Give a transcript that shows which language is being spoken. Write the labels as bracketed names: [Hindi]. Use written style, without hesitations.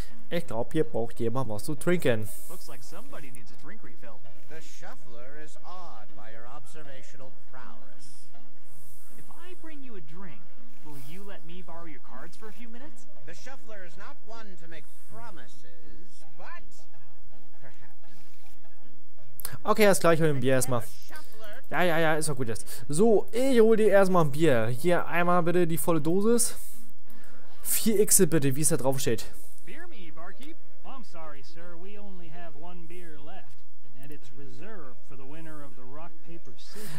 [German] Ich glaube, hier braucht jemand was zu trinken. [English] Looks like somebody needs a drink refill. The shuffler is awed by your observational prowess. If I bring you a drink, will you let me borrow your cards for a few minutes? The shuffler is not one to make promises, but perhaps. [German] Okay, erst gleich hol ein Bier erstmal. Ja, ist doch gut jetzt. So, ich hol dir erstmal ein Bier. Hier einmal bitte die volle Dosis. 4x bitte, wie es da drauf steht. [English] Beer me, Barkeep. I'm sorry, sir. We only have one beer left. And it's reserved for the winner of the Rock Paper Scissors.